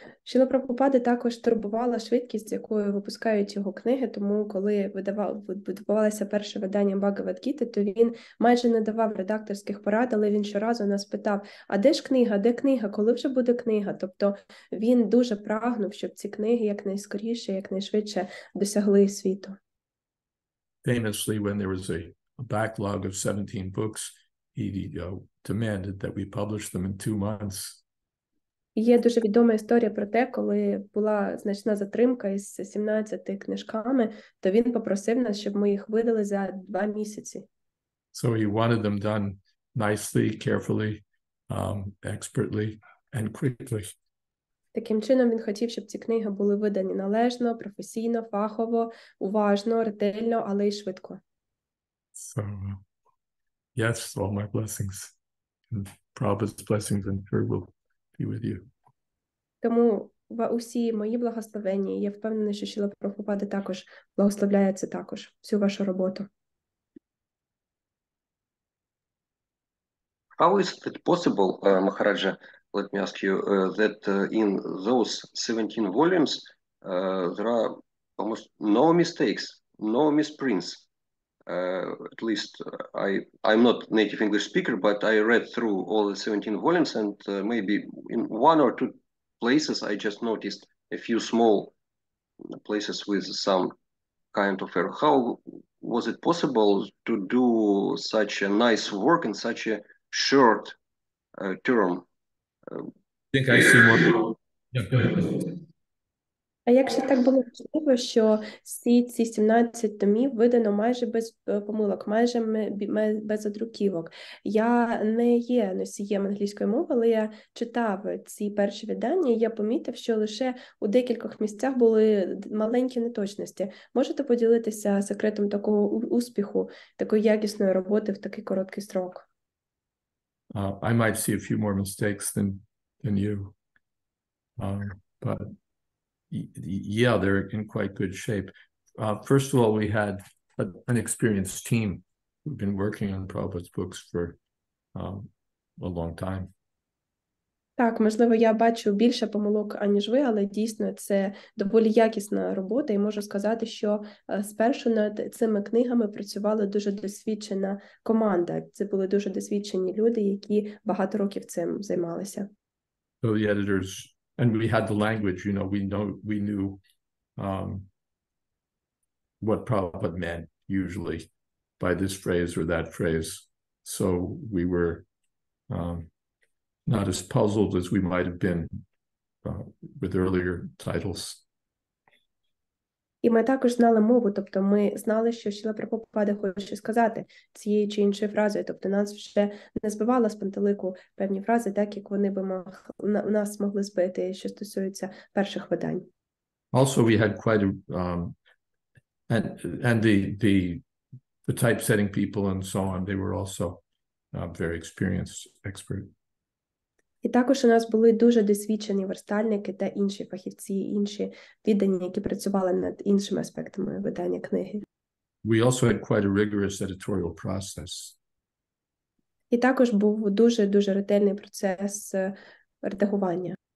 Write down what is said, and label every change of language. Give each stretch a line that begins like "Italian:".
Ukrainian: Шіла Прабхупада також турбувала швидкість, з якою випускають його книги, тому коли видавалося перше видання Бхагавад-гіти, то він майже не давав редакторських порад, але він щоразу нас питав, а де ж книга, де книга, коли вже буде книга? Тобто він дуже прагнув, щоб ці книги якнайскоріше, якнайшвидше досягли світу.
English: Famously, when there was a backlog of 17 books, he demanded that we publish them in 2 months.
Ukrainian: Є дуже відома історія про те, коли була значна затримка із 17 книжками, то він попросив нас, щоб ми їх видали за 2 місяці.
English: So he wanted them done nicely, carefully, expertly and quickly.
Ukrainian: Таким чином він хотів, щоб ці книги були видані належно, професійно, фахово, уважно, ретельно, але й швидко.
English: So, yes, all my blessings. And Prabhupada's blessings and prayer will be with you.
Ukrainian: Тому усі мої благословення, я впевнений, що Шіла Прабхупада також благословляє це також, всю вашу роботу.
English: How is it possible, Махараджа, let me ask you, that in those 17 volumes there are almost no mistakes, no misprints. At least I'm not native English speaker, but I read through all the 17 volumes and maybe in one or two places I just noticed a few small places with some kind of error. How was it possible to do such a nice work in such a short term? I think I see more. Yeah, go ahead.
Ukrainian: А якщо так було чудово, що всі ці 17 томів видано майже без помилок, майже без одруківок. Я не є носієм англійської мови, але я читав ці перші видання, і я помітив, що лише у декількох місцях були маленькі неточності. Можете поділитися секретом такого успіху, такої якісної роботи в такий короткий срок?
English: I might see a few more mistakes than you. But yeah, they're in quite good shape. First of all, we had an experienced team who've been working on Prabhupada's books for a long time.
Ukrainian: Так, можливо, я бачу більше помилок, аніж ви, але дійсно це доволі якісна робота, і можу сказати, що спершу над цими книгами працювала дуже досвідчена команда. Це були дуже досвідчені люди, які багато років цим займалися.
English: So the editors, and we had the language, you know, we knew what Prabhupada meant usually by this phrase or that phrase. So we were not as puzzled as we might have been with earlier titles.
Ukrainian: І ми також знали мову, тобто ми знали, що Шіла Прабхупада хоче сказати цією чи іншою фразою, тобто нас вже не збивало з пантелику певні фрази, так як вони б нас могли збити, що стосується перших видань.
English: Also, we had quite a, and the typesetting people and so on, they were also very experienced expert.
Ukrainian: І також у нас були дуже досвідчені верстальники та інші фахівці, інші віддані, які працювали над іншими аспектами видання книги.
English: We also had quite a rigorous editorial process.
Ukrainian: І також був дуже-дуже ретельний процес редагування.